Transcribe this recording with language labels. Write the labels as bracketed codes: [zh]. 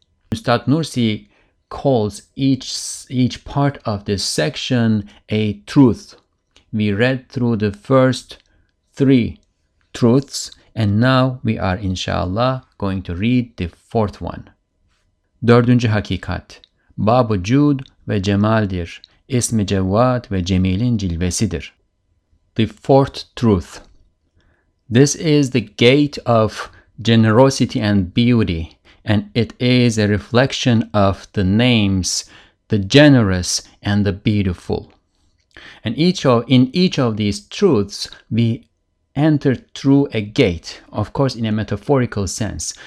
[en] Ustad Nursi calls each part of this section a truth. We read through the first three truths, and now we are, inshallah, going to read the fourth one. [tr] Dördüncü hakikat, Bab-ı Cud ve Cemal'dir, İsmi Cevvat ve Cemil'in cilvesidir. [en] The fourth truth. This is the gate of generosity and beauty, and it is a reflection of the names, the generous and the beautiful. And in each of these truths, we enter through a gate, of course, in a metaphorical sense.